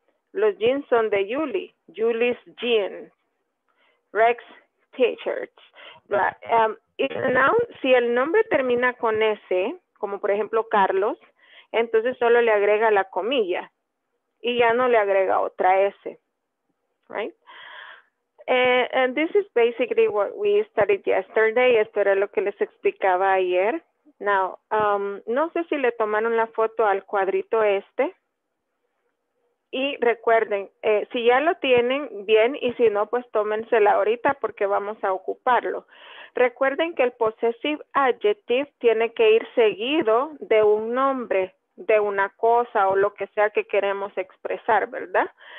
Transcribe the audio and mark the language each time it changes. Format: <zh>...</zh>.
<es>Los jeans son de Julie.</es> <en>Julie's jeans. Rex t-shirts. Right. Now,</en> <es>si el nombre termina con S, como por ejemplo Carlos, entonces solo le agrega la comilla y ya no le agrega otra S.</es> <en>Right? And this is basically what we studied yesterday.</en> <es>Esto era lo que les explicaba ayer. Now, no sé si le tomaron la foto al cuadrito este. Y recuerden, si ya lo tienen, bien, y si no, pues tómensela ahorita porque vamos a ocuparlo. Recuerden que el possessive adjective tiene que ir seguido de un nombre, de una cosa o lo que sea que queremos expresar, ¿verdad?</es>